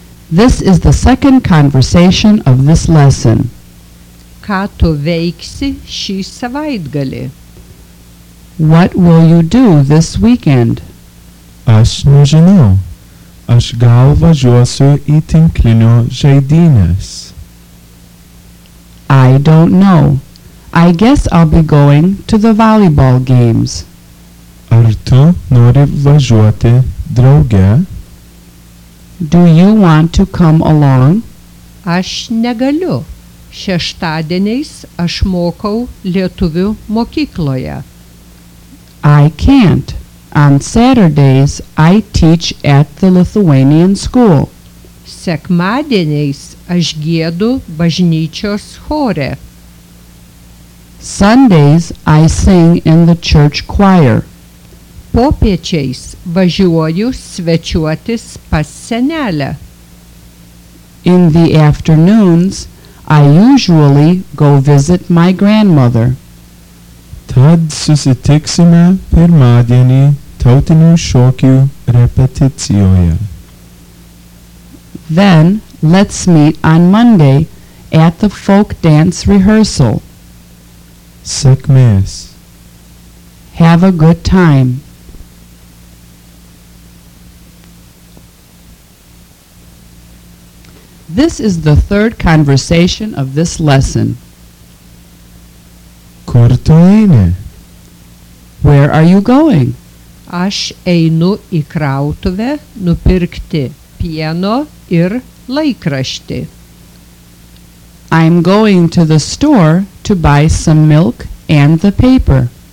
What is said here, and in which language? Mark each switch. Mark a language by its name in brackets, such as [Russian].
[English] This is the second conversation of this lesson. [Lithuanian] Ką tu veiksi šį savaitgalį? [English] What will you do this weekend? [Lithuanian] Aš nežinau. Aš gal važiuosiu į tinklinio žaidynės. [English] I don't know. I guess I'll be going to the volleyball games. [Lithuanian] Ar tu nori važiuoti drauge? [English] Do you want to come along? [Lithuanian] Aš negaliu. Šeštadieniais aš mokau lietuvių mokykloje. [English] I can't. On Saturdays I teach at the Lithuanian school. [Lithuanian] Sekmadieniais aš giedu bažnyčios chore. [English] Sundays I sing in the church choir. [Lithuanian] Popiečiais važiuoju svečiuotis pas senelę. [English] In the afternoons I usually go visit my grandmother. [Lithuanian] Tad susitiksime pirmadienį tautinių šokių repeticijoje. [English] Then let's meet on Monday at the folk dance rehearsal. [Lithuanian] Sėkmės. [English] Have a good time. This is the third conversation of this lesson. [Lithuanian] Kur tu eini? [English] Where are you going? [Lithuanian] Aš einu į krautuvę nupirkti pieno ir laikraštį. [English] I'm going to the store to buy some milk and the paper.